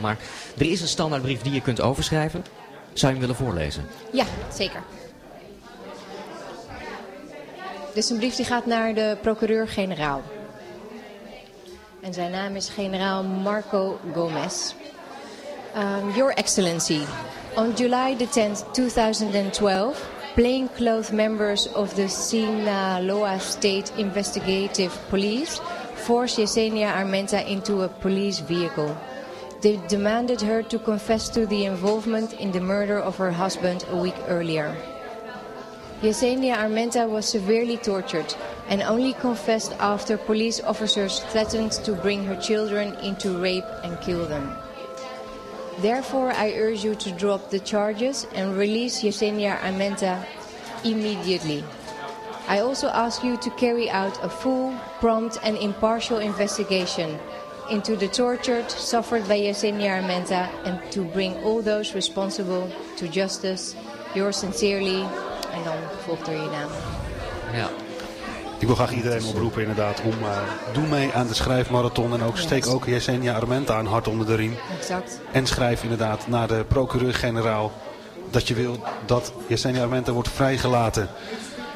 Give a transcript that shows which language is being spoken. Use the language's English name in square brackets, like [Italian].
[Dutch] Maar er is een standaardbrief die je kunt overschrijven. Zou je hem willen voorlezen? Ja, zeker. Dit is een brief die gaat naar de procureur-generaal. En zijn naam is generaal Marco Gomez. [English] Your Excellency, on July the 10th, 2012, plainclothes members of the Sinaloa State Investigative Police forced Yesenia Armenta into a police vehicle. They demanded her to confess to the involvement in the murder of her husband a week earlier. Yesenia Armenta was severely tortured and only confessed after police officers threatened to bring her children into rape and kill them. Therefore, I urge you to drop the charges and release Yesenia Armenta immediately. I also ask you to carry out a full, prompt and impartial investigation into the torture suffered by Yesenia Armenta and to bring all those responsible to justice. Yours sincerely. [Dutch] En dan volgt er je naam. Ja. Ik wil graag iedereen oproepen inderdaad om doe mee aan de schrijfmarathon en ook steek ook Yesenia Armenta een hart onder de riem. Exact. En schrijf inderdaad naar de procureur-generaal dat je wil dat Yesenia Armenta wordt vrijgelaten.